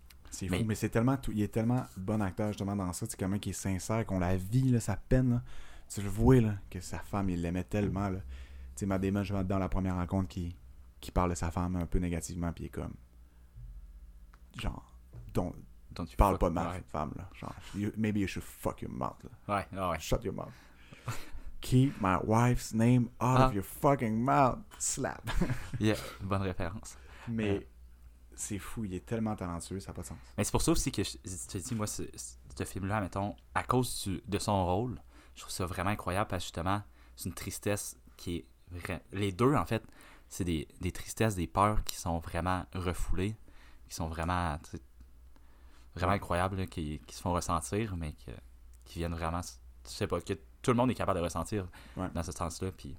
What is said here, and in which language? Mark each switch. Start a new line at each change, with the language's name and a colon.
French: C'est fou, mais c'est tellement tout. Il est tellement bon acteur, justement, dans ça. C'est quelqu'un qui est sincère, qu'on la vit, là, sa peine. Là. Tu le vois, là, que sa femme, il l'aimait tellement. Là. Tu sais, Madéma, je vais dans la première rencontre qui parle de sa femme un peu négativement, puis il est comme. Genre.
English: Don't
French: parle pas de ma femme, là. Genre,
English: maybe you should fuck your mouth.
French: Là. Ouais.
English: Shut your mouth. Keep my wife's name out of your fucking mouth. Slap. Yeah,
French: bonne référence. Mais. C'est fou, il est tellement talentueux, ça n'a pas de sens. Mais c'est pour ça aussi que je te dis, moi, ce film-là, mettons, à cause de son rôle, je trouve ça vraiment incroyable parce que justement, c'est une tristesse qui est vraie. Les deux, en fait, c'est des tristesses, des peurs qui sont vraiment refoulées, qui sont vraiment, vraiment incroyables, là, qui se font ressentir, mais qui viennent vraiment, je sais pas, que tout le monde est capable de ressentir dans ce sens-là.